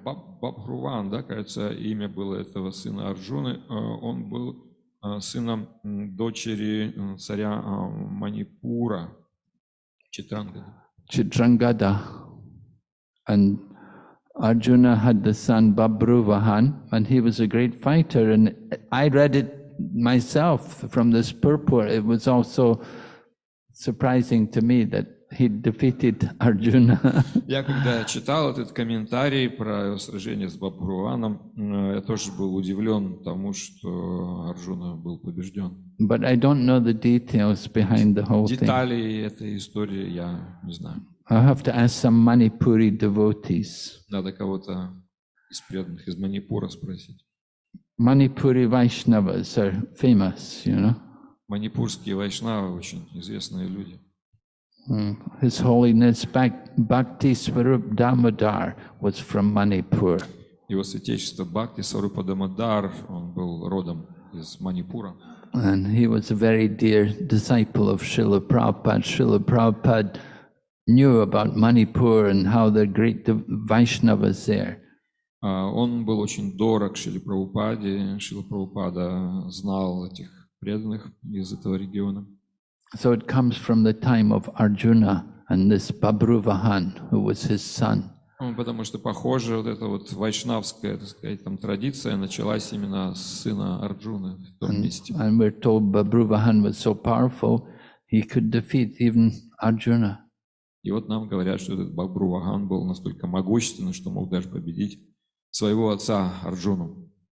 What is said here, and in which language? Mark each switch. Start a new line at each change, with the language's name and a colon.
Russian: Бабхруван, да, кажется, имя было этого сына Арджуны. Он был сыном дочери царя Манипура, Читрангада.
English: Chitrangada. And Arjuna had the son Babruvahan, and he was a great fighter. And I read it myself from this purport. It was also surprising to me that he defeated Arjuna.
Russian: Я когда читал этот комментарий про сражение с Бабруваном, я тоже был удивлен тому, что Арджуна был побежден.
English: But I don't know the details behind the whole thing.
Russian: Детали этой истории я не знаю.
English: I have to ask some Manipuri devotees.
Russian: Надо кого-то из преданных из Манипура спросить.
English: Manipuri Vaishnavas are famous, you know.
Russian: Манипурские вайшнавы очень известные люди.
English: His Holiness Bhakti Swarup Damodar was from Manipur.
Russian: Его святейшество Бхакти Сварупа Дамодар, он был родом из Манипура.
English: And he was a very dear disciple of Srila Prabhupada. Srila Prabhupada knew about Manipur and how the great Vaishnavas there.
Russian: Он был очень дорог Шриле Прабхупаде. Шрила Прабхупада знал этих преданных из этого региона.
English: So it comes from the time of Arjuna and this Babruvahan, who was his son.
Russian: Потому что похоже, вот эта вот вайшнавская, так сказать, там традиция началась именно с сына Арджуны в том месте.
English: And we're told Babruvahan was so powerful, he could defeat even Arjuna.
Russian: И вот нам говорят, что этот Бабруваган был настолько могущественным, что мог даже победить своего отца Арджуну.